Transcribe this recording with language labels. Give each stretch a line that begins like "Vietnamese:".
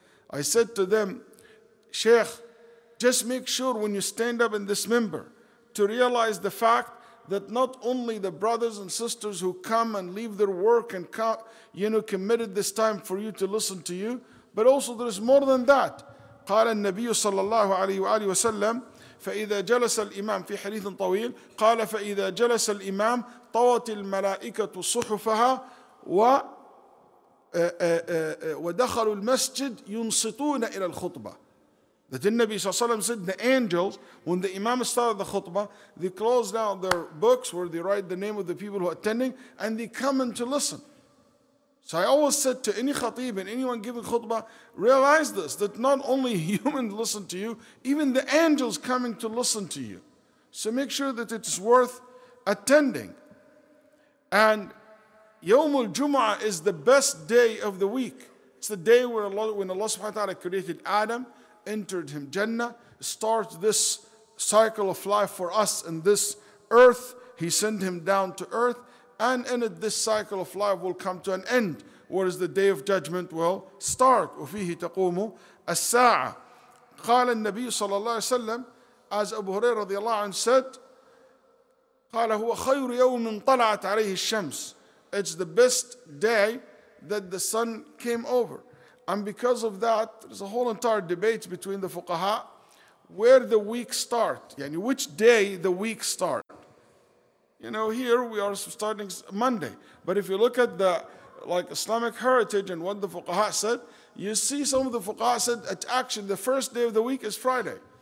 English: I said to them, Sheikh, just make sure when you stand up in this minbar to realize the fact that not only the brothers and sisters who come and leave their work and come, you know, committed this time for you to listen to you, but also there is more than that.
Arabic: قال النبي صلى الله عليه وسلم فإذا جلس الإمام في حديث طويل قال فإذا جلس الإمام طوت الملائكة صحفها ودخلوا المسجد ينصتون إلى الخطبة.
English: That the Nabi صلى الله عليه وسلم said, the angels, when the Imam started the khutbah, they close down their books where they write the name of the people who are attending, and they come in to listen. So I always said to any khatib and anyone giving khutbah, realize this, that not only humans listen to you, even the angels coming to listen to you. So make sure that it's worth attending. And Yawm al-Jumu'ah is the best day of the week. It's the day where Allah, when Allah subhanahu wa ta'ala created Adam, entered him Jannah, start this cycle of life for us in this earth. He sent him down to earth, and in it, this cycle of life will come to an end, whereas the day of judgment will start.
Arabic: وفيه تقوم الساعة. قال النبي صلى الله عليه وسلم,
English: as Abu Huraira
Arabic: رضي الله عنه said, قال هو خير يوم طلعت عليه الشمس.
English: It's the best day that the sun came over. And because of that, there's a whole entire debate between the fuqaha where the week starts, yani which day the week starts. You know, here we are starting Monday. But if you look at the like Islamic heritage and what the fuqaha said, you see some of the fuqaha said at action, the first day of the week is Friday.